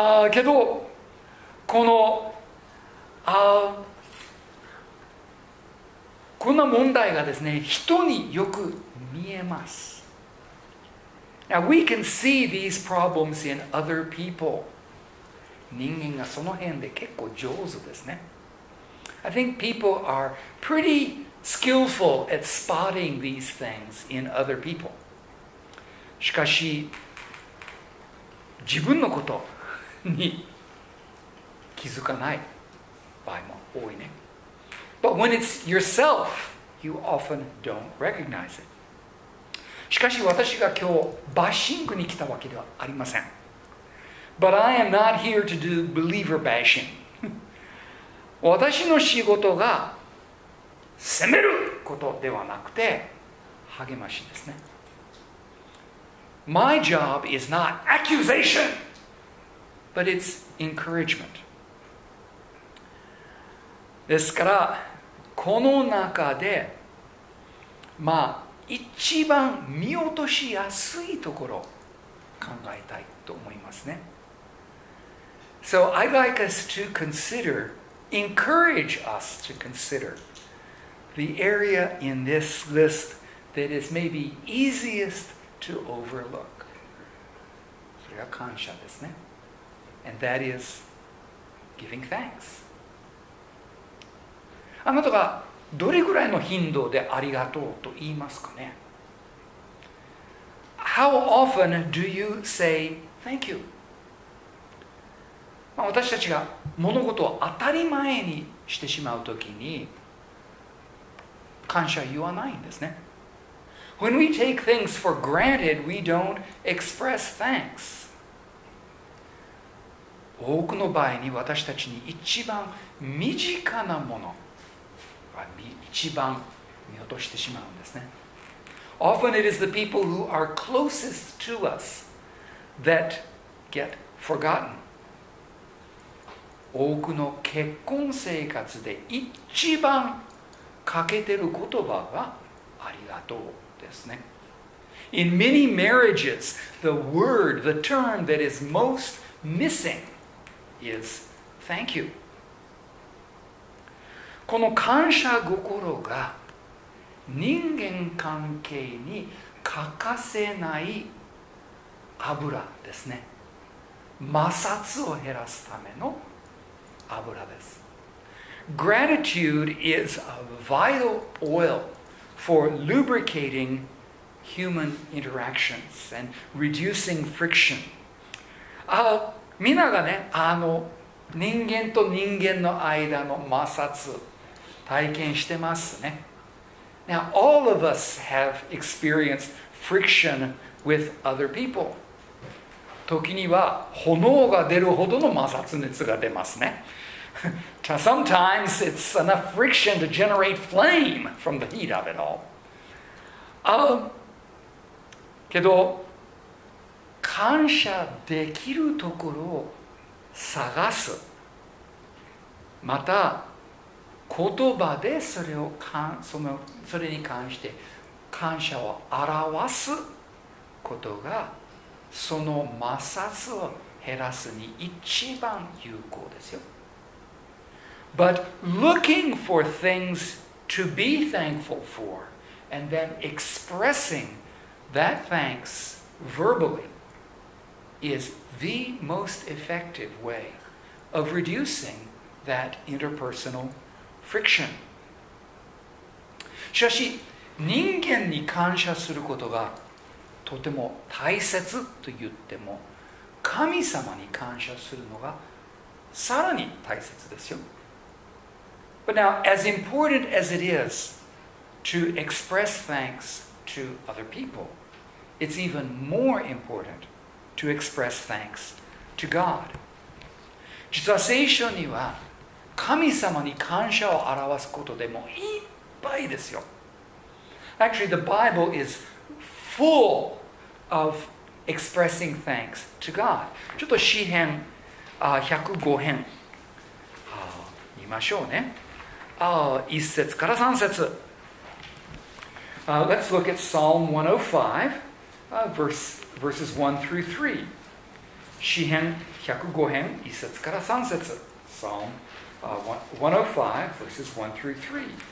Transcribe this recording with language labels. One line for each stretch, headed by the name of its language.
Japanese: けど、この、こんな問題がですね、人によく見えます。
English: Now we can see these problems in other people.
Japanese: 人間がその辺で結構上手ですね。
English: I think people are pretty skillful at spotting these things in other people.
Japanese: しかし、自分のことに気づかない場合も多いね。
English: But when it's yourself, you often don't recognize it.
Japanese: しかし私が今日バッシングに来たわけではありません。
English: But I am not here to do believer bashing.
Japanese: 私の仕事が責めることではなくて励ましですね。
English: My job is not accusation, but it's encouragement.
Japanese: ですから、この中で、まあ、一番見落としやすいところを考えたいと思いますね。
English: So I'd like us to consider, encourage us to consider the area in this list that is maybe easiest to overlook.
Japanese: それは感謝ですね。
English: And that is giving thanks.
Japanese: あなたがどれくらいの頻度でありがとうと言いますかね?
English: How often do you say thank you?
Japanese: 私たちが物事を当たり前にしてしまうときに感謝言わないんですね。
English: When we take things for granted, we don't express thanks.
Japanese: 多くの場合に私たちに一番身近なものは一番見落としてしまうんですね。
English: Often it is the people who are closest to us that get forgotten.
Japanese: 多くの結婚生活で一番欠けてる言葉がありがとうですね。
English: In many marriages, the word, the term that is most missing is thank you.
Japanese: この感謝心が人間関係に欠かせない油ですね。摩擦を減らすための油です。
English: Gratitude is a vital oil for lubricating human interactions and reducing friction.
Japanese: ああ、みんながね、人間と人間の間の摩擦体験してますね。
English: Now, all of us have experienced friction with other people.
Japanese: 時には炎が出るほどの摩擦熱が出ますね。
English: Sometimes it's enough friction to generate flame from the heat of it all.
Japanese: けど、感謝できるところを探す。また、言葉でそれをそれに関して感謝を表すことが、その摩擦を減らすに一番有効ですよ。
English: But looking for things to be thankful for and then expressing that thanks verbally is the most effective way of reducing that interpersonal friction.
Japanese: しかし、人間に感謝することがとても大切と言っても、神様に感謝するのがさらに大切ですよ。
English: But now, as important as it is to express thanks to other people, it's even more important to express thanks to God.
Japanese: 実は聖書には神様に感謝を表すことでもいっぱいですよ。
English: Actually, the Bible is full of expressing thanks to God.
Japanese: ちょっと詩編105編見ましょうね。 1節から3節。
English: Let's look at Psalm 105, verses 1 through 3.
Japanese: 詩編105編、1節から3節。
English: Psalm 105, verses 1 through 3.